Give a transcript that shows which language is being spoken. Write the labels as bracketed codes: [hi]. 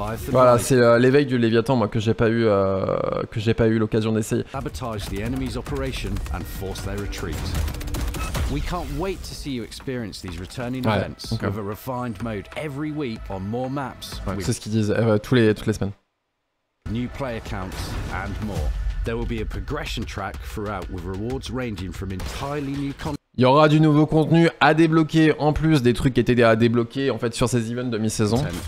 [fr] Voilà, c'est l'éveil du Léviathan, moi, que j'ai pas eu l'occasion d'essayer. [en] Sabotage the enemy's operation and force their retreat. We can't wait to see you experience these returning events with a refined mode every week on more maps. [fr] Ouais, c'est ce qu'ils disent toutes les semaines. [en] New player counts and more. There will be a progression track throughout with rewards ranging from entirely new content. [fr] Il y aura du nouveau contenu à débloquer en plus des trucs qui étaient à débloquer en fait sur ces events de mi-saison.